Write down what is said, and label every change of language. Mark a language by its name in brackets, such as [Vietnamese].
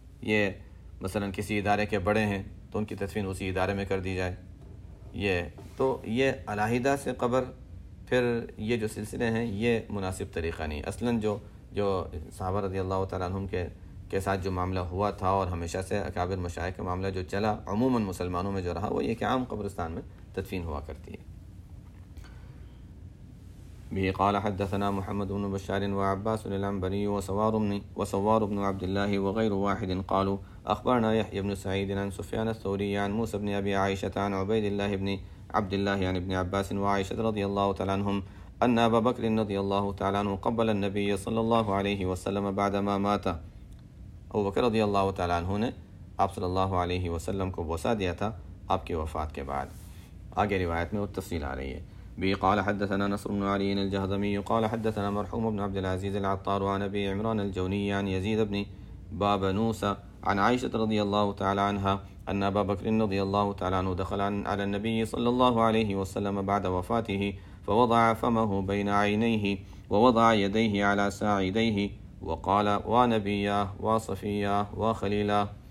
[Urdu] یہ مثلا کسی ادارے کے بڑے ہیں تو ان کی تدفین اسی ادارے میں کر دی جائے, یہ تو یہ علیحدہ سے قبر, پھر یہ جو سلسلے ہیں یہ مناسب طریقہ نہیں. اصلا جو صحابہ رضی اللہ تعالیٰ عنہم کے ساتھ جو معاملہ ہوا تھا, اور ہمیشہ سے اکابر مشائخ کا معاملہ جو چلا عموماً مسلمانوں میں جو رہا, وہ یہ کہ عام قبرستان میں تدفین ہوا کرتی ہے. [Arabic] بھی قال حدثنا محمد بن بشار وعباس العنبري وسوار بن عبد الله وغير واحد قالوا اخبرنا يحيى بن سعيد عن سفيان الثوري عن موسى بن ابي عائشه عن عبيد الله بن عبد الله عن ابن عباس وعائشه رضي الله تعالى عنهم ان ابا بكر رضي الله تعالى عنه قبل النبي صلى الله عليه وسلم بعدما مات. [Urdu] ابو بکر رضی اللہ تعالیٰ عنہ نے آپ صلی اللہ علیہ وسلم کو بوسہ دیا تھا آپ کی وفات کے بعد. آگے روایت میں وہ تفصیل آ رہی ہے. [Arabic] بھی قال حدثنا نصر بن علی الجہضمی قال حدثنا مرحوم بن عبد العزیز العطار عن ابی عمران الجونی عن یزید بن بابنوس عن عائشہ رضی اللہ تعالیٰ عنہ ان ابا بکر رضی اللہ تعالیٰ عنہ دخل علی النبی صلی اللہ علیہ وسلم بعد وفاته فوضع فمه بین عینیہ ووضع یدیہ علی ساعدیہ وقال ونبیہ وصفیہ وخلیلہ.